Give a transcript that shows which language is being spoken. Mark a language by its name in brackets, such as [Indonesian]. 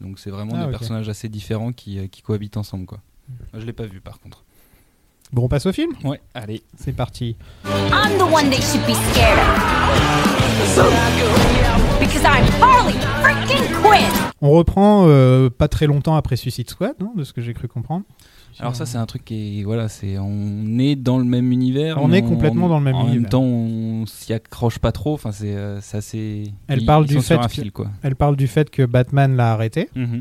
[French] Donc c'est vraiment des personnages assez différents qui cohabitent ensemble, quoi. Moi, je l'ai pas vu, par contre. Bon, on passe au film ? Ouais, allez. C'est parti. [English] I'm the one they should be scared of. Because I'm Harley freaking Quinn. [French] On reprend pas très longtemps après Suicide Squad, non ? De ce que j'ai cru comprendre. Alors ça, c'est un truc qui est... Voilà, c'est, on est dans le même univers. On est complètement dans le même univers. En même temps, on s'y accroche pas trop. Enfin, c'est assez... Elle parle du fait fil, quoi. Elle parle du fait que Batman l'a arrêté. Mm-hmm.